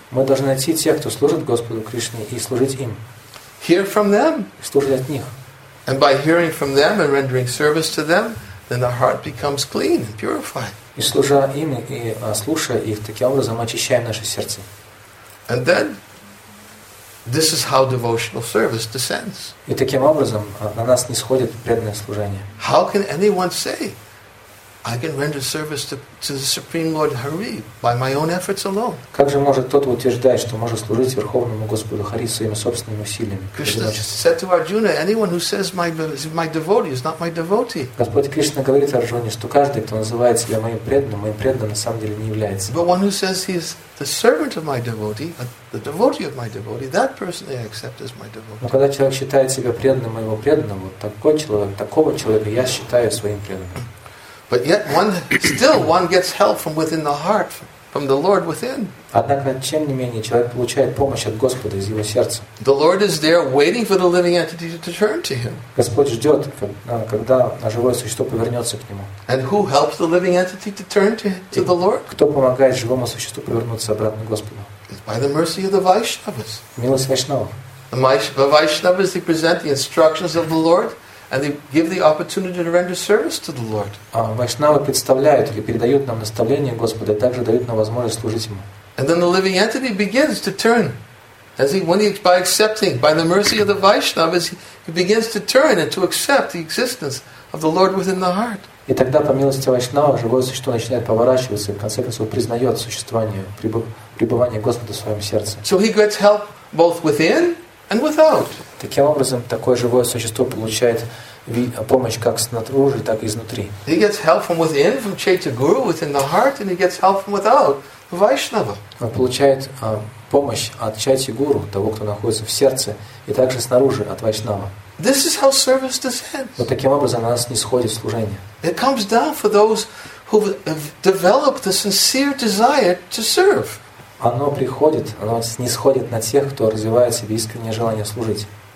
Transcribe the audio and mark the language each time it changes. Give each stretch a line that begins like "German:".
Russian: Мы должны найти тех, кто служит Господу Кришне, и служить им.
English: Hear from them.
Russian: Служить от них.
English: And by hearing from them and rendering service to them, then the heart becomes clean and purified.
Russian: И служа им и слушая их, таким образом очищаем наши сердца.
English: And then this is how devotional service descends.
Russian: И таким образом на нас нисходит преданное служение.
English: How can anyone say, I can render service to the Supreme Lord Hari by my own efforts alone?
Russian: Как же может тот утверждать, что может служить Верховному Господу Хари своими собственными усилиями?
English: Krishna said to Arjuna, anyone who says my devotee is not my devotee.
Russian: Господь Кришна говорит Арджуне, что каждый, кто называет себя моим преданным на самом деле не является.
English: But one who says he is the servant of my devotee, the devotee of my devotee, that person I accept as my devotee.
Russian: Но когда человек считает себя преданным моего преданного, такой человек, такого человека я считаю своим преданным.
English: But yet one gets help from within the heart, from the Lord within.
Russian: Однако тем не менее человек получает помощь от Господа из его сердца.
English: The Lord is there waiting for the living entity to turn to Him.
Russian: Господь ждет, когда живое существо повернется к нему.
English: And who helps the living entity to turn to the Lord?
Russian: Кто помогает живому существу повернуться обратно к Господу?
English: It's by the mercy of the Vaishnavas.
Russian: Милость Вайшнава.
English: The Vaishnavas, they present the instructions of the Lord. And they give the opportunity to render service to the Lord.
Russian: Вайшнавы представляют или передают нам наставление Господа, и также дают нам возможность служить Ему.
English: And then the living entity begins to turn, as by accepting, by the mercy of the Vaishnavas, he begins to turn and to accept the existence of the Lord within the heart.
Russian: И тогда по милости Вайшнава живое существо начинает поворачиваться и в конце концов признает существование пребывание Господа в своем сердце.
English: So he gets help both within. And without.
Russian: Таким образом, такое живое существо получает помощь как снаружи, так и изнутри.
English: He gets help from within, from Chaitya Guru, within the heart, and he gets help from without, from Vaishnava.
Russian: Он получает помощь от Чайти Гуру, того, кто находится в сердце, и также снаружи от Вайшнава.
English: This is how service descends.
Russian: Вот таким образом на нас нисходит служение.
English: It comes down for those who have developed the sincere desire to serve.
Russian: Оно приходит, оно снисходит на тех, кто развивает в себе искреннее желание служить.